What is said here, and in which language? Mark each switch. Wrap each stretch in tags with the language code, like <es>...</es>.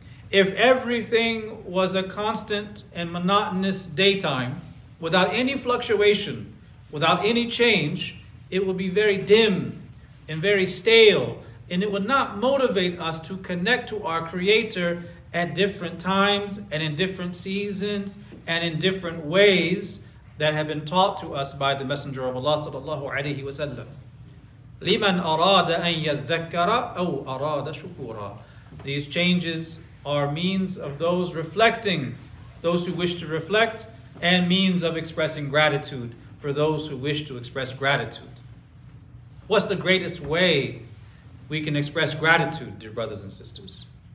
<en>If everything was a constant and monotonous daytime, without any fluctuation, without any change, it would be very dim and very stale, and it would not motivate us to connect to our Creator at different times and in different seasons and in different ways that have been taught to us by the Messenger of Allah sallallahu alayhi wa sallam.</en> <ar>لِمَنْ أَرَادَ أَنْ يَذَّكَّرَ أَوْ أَرَادَ شُكُورًا.</ar> <en>These changes are means of those reflecting, those who wish to reflect, and means of expressing gratitude for those who wish to express gratitude. What's the greatest way we can express gratitude, dear brothers and sisters?</en>